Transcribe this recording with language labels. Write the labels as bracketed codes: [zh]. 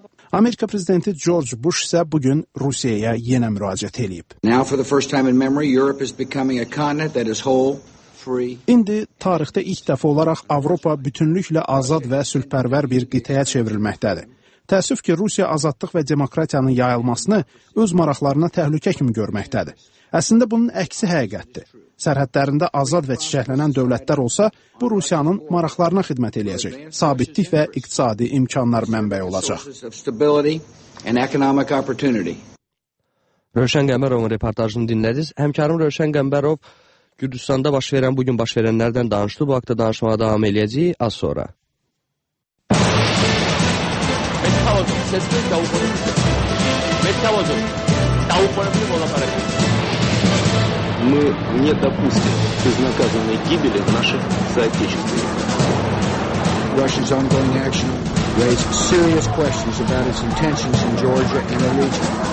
[az] Amerika prezidenti George Bush isə bugün Rusiyaya yenə müraciət eləyib. [en] Now for the first time in memory, Europe is becoming a continent that is whole. [az] İndi tarixdə ilk dəfə olaraq Avropa bütünlüklə azad və sülhpərvər bir qitəyə çevrilməkdədir. Təəssüf ki, Rusiya azadlıq və demokratiyanın yayılmasını öz maraqlarına təhlükə kimi görməkdədir. Əslində, bunun əksi həqiqətdir. Sərhədlərində azad və çiçəklənən dövlətlər olsa, bu Rusiyanın maraqlarına xidmət eləyəcək, sabitlik və iqtisadi imkanlar mənbəyi olacaq. Rövşən Qəmbərovun reportajını dinlədiniz. Həmkarım Rövşən Qəmbərov Gürcüstanda baş verən, bugün baş verənlərdən danışdı. Bu haqda danışmağa davam eləyəcək az sonra. [ru] Мы не допустим безнаказанной гибели наших соотечественников. [en] Russia's ongoing action raises serious questions about its intentions in Georgia and the region.